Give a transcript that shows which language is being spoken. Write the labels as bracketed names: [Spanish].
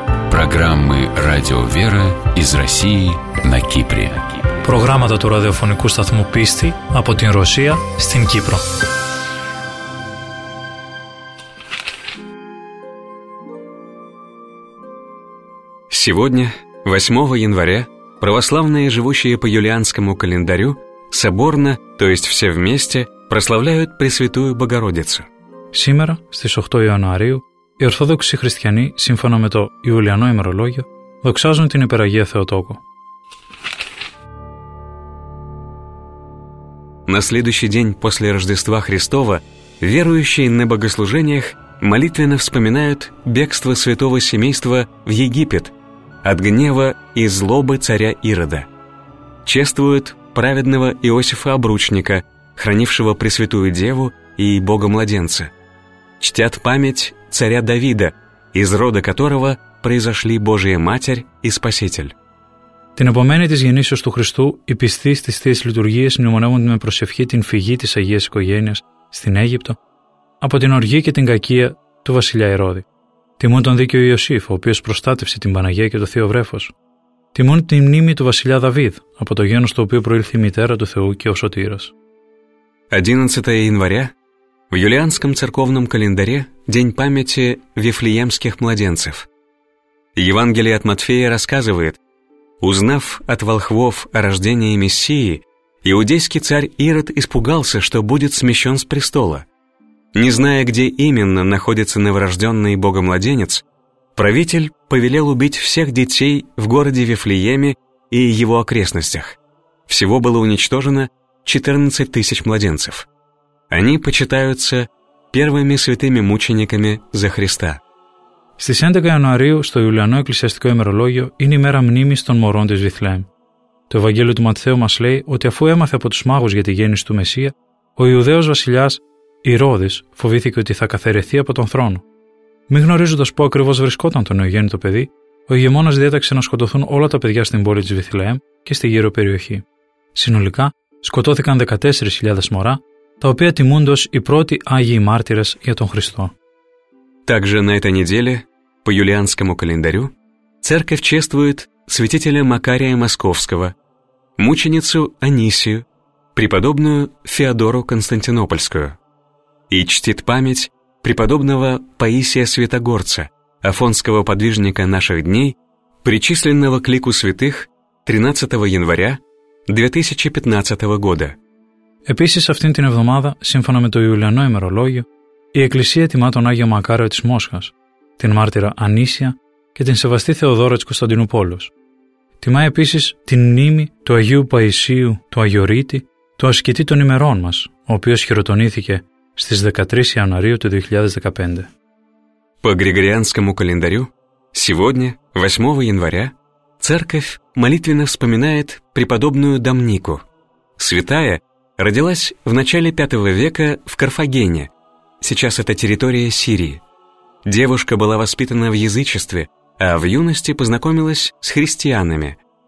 [Russian] программы «Радио Вера» из России на Кипре. Программа [Greek] του ραδιοφωνικού σταθμού «Πίστη» από την Ρωσία στην Κύπρο. [Russian] Сегодня, 8 января, православные, живущие по юлианскому календарю, соборно, то есть все вместе, прославляют Пресвятую Богородицу. Сегодня, [Greek] στις 8 Ιανουαρίου, οι Ορθόδοξοι Χριστιανοί, σύμφωνα με το Ιουλιανό ημερολόγιο, δοξάζουν την Υπεραγία Θεοτόκο. [Russian] На следующий день после Рождества Христова верующие на богослужениях молитвенно вспоминают бегство святого семейства в Египет от гнева и злобы царя Ирода. Чествуют праведного Иосифа Обручника, хранившего Пресвятую Деву и Бога-младенца. Чтят память царя Давида, из рода которого произошли Божия Матерь и Спаситель. [Greek] Την επομένη της γεννήσεως του Χριστού, οι πιστοί στις θείες λειτουργίες μνημονεύονται με προσευχή την φυγή της Αγίας Οικογένειας στην Αίγυπτο από την οργή και την κακία του βασιλιά Ηρώδη. Τιμούν τον δίκαιο Ιωσήφ, ο οποίος προστάτευσε την Παναγία και το Θείο Βρέφος. Τιμούν τη μνήμη του βασιλιά Δαβίδ, από το γένος του οποίου προήλθε η μητέρα του Θεού και ο Σωτήρας. [Russian] 11 [Greek] Ιανουαρία, [Russian] в юлианском церковном календаре, день памяти вифлеемских младенцев. Евангелие от Матфея рассказывает: узнав от волхвов о рождении Мессии, иудейский царь Ирод испугался, что будет смещен с престола. Не зная, где именно находится новорожденный богомладенец, правитель повелел убить всех детей в городе Вифлееме и его окрестностях. Всего было уничтожено 14 тысяч младенцев. Они почитаются первыми святыми мучениками за Христа. [Greek] Στις 11 Ιανουαρίου, στο Ιουλιανό Εκκλησιαστικό ημερολόγιο, είναι η μέρα μνήμης των μωρών της Βηθλέμ. Το Ευαγγέλιο του Ματθαίου μας λέει ότι αφού έμαθε από τους μάγους για τη γέννηση του Μεσσία, ο Ιουδαίος βασιλιάς Ηρώδης φοβήθηκε ότι θα καθαιρεθεί από τον θρόνο. Μην γνωρίζοντας πού ακριβώς βρισκόταν το νεογέννητο παιδί, ο ηγεμόνας διέταξε να σκοτωθούν όλα τα παιδιά στην πόλη της Βηθλέμ και στη γύρω περιοχή. Συνολικά, σκοτώθηκαν 14.000 μωρά, τα οποία τιμούνται ως οι πρώτοι Άγιοι Μάρτυρες για τον Χριστό. [Russian] Также на этой неделе, по юлианскому календарю, церковь чествует святителя Макария Московского, мученицу Анисию, преподобную Феодору Константинопольскую, и чтит память преподобного Паисия Святогорца, афонского подвижника наших дней, причисленного к лику святых 13 января 2015 года. [Greek] Επίσης, αυτήν την εβδομάδα, σύμφωνα με το Ιουλιανό ημερολόγιο, η Εκκλησία τιμά τον Άγιο Μακάριο της Μόσχας, την μάρτυρα Ανίσια και την σεβαστή Θεοδόρα της Κωνσταντινούπολης. Τιμά επίσης την μνήμη του Αγίου Παϊσίου, του Αγιορείτη, του ασκητή των ημερών μας, ο οποίος χειροτονήθηκε στις 13 Ιανουαρίου του 2015. [Russian] По Григорианскому календарю, сегодня, 8 января, церковь молитвенно вспоминает преподобную Домнику. Святая родилась в начале 5 века в Карфагене, сейчас это территория Сирии. Девушка была воспитана в язычестве, а в юности познакомилась с христианами.